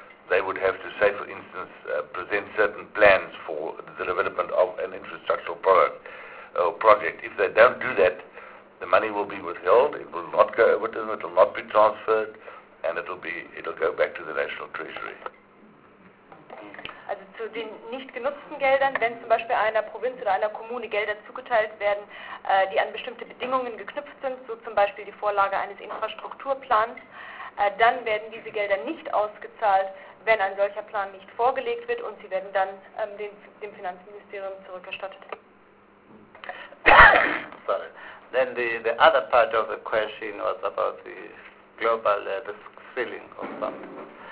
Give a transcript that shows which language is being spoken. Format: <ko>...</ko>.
<en>They would have to, say for instance, present certain plans for the development of an infrastructural product or project. If they don't do that, the money will be withheld. It will not go over to them. It will not be transferred. And it'll go back to the National Treasury.</en> <de>Also zu den nicht genutzten Geldern, wenn zum Beispiel einer Provinz oder einer Kommune Gelder zugeteilt werden, die an bestimmte Bedingungen geknüpft sind, so zum Beispiel die Vorlage eines Infrastrukturplans, dann werden diese Gelder nicht ausgezahlt, wenn ein solcher Plan nicht vorgelegt wird und sie werden dann dem Finanzministerium zurückerstattet.</de> <en>Sorry. Then the other part of the question was about the global risk ceiling of something.</en>